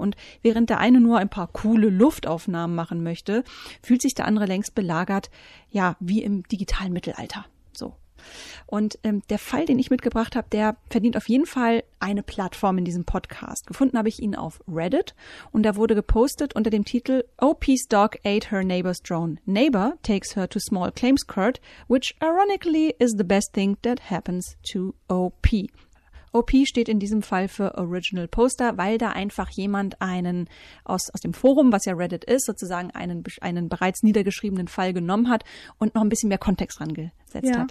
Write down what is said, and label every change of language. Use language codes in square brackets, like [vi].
[de] Und während der eine nur ein paar coole Luftaufnahmen machen möchte, fühlt sich der andere längst belagert, ja, wie im digitalen Mittelalter. So. Und der Fall, den ich mitgebracht habe, der verdient auf jeden Fall eine Plattform in diesem Podcast. Gefunden habe ich ihn auf Reddit und da wurde gepostet unter dem Titel [en] OP's dog ate her neighbor's drone. Neighbor takes her to small claims court, which ironically is the best thing that happens to OP. [de] OP steht in diesem Fall für Original Poster, weil da einfach jemand einen aus dem Forum, was ja Reddit ist, sozusagen einen bereits niedergeschriebenen Fall genommen hat und noch ein bisschen mehr Kontext rangesetzt, ja, hat.